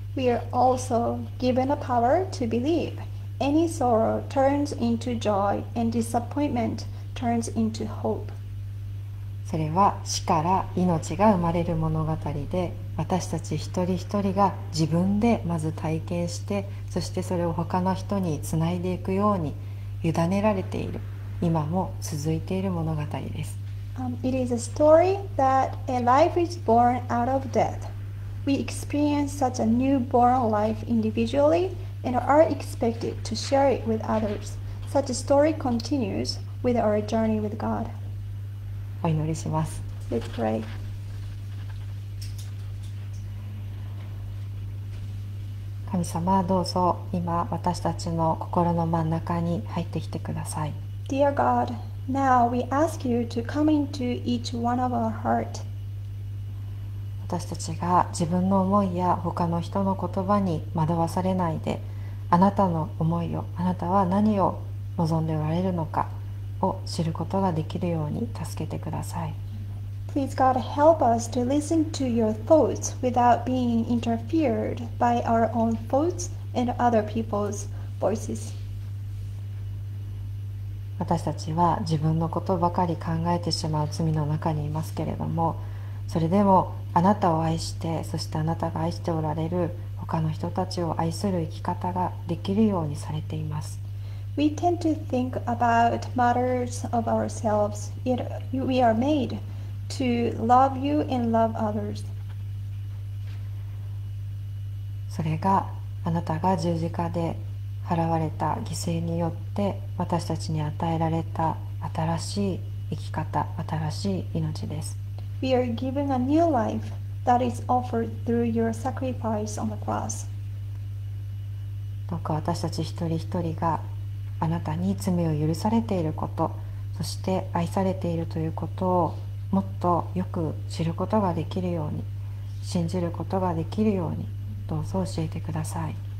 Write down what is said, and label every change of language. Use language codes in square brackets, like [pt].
[en] We are also given a power to believe. Any sorrow turns into joy and disappointment turns into hope. [ja] それは死から命が生まれる物語で、私たち一人一人が自分でまず体験して、そしてそれを他の人につないでいくように委ねられている、今も続いている物語です。 [en] It is a story that a life is born out of death. We experience such a newborn life individually and are expected to share it with others. Such a story continues with our journey with God. [ja] お祈りします。 [en] Let's pray. [ja] 神様、どうぞ今私たちの心の真ん中に入ってきてください。 [en] Dear God, now we ask you to come into each one of our heart. [ja] 私たちが自分の思いや他の人の言葉に惑わされないで、あなたの思いを、あなたは何を望んでおられるのかを知ることができるように助けてください。 [en] Please, God, help us to listen to your thoughts without being interfered by our own thoughts and other people's voices. [ja] 私たちは自分のことばかり考えてしまう罪の中にいますけれども、それでもあなたを愛して、そしてあなたが愛しておられる他の人たちを愛する生き方ができるようにされています。 [en] We tend to think about matters of ourselves. We are made to love you and love others. [ja] それがあなたが十字架で払われた犠牲によって私たちに与えられた新しい生き方、新しい命です。 [en] We are given a new life that is offered through your sacrifice on the cross. [ja] どうか私たち一人一人があなたに罪を許されていること、そして愛されているということをもっとよく知ることができるように、信じることができるように、どうぞ教えてください。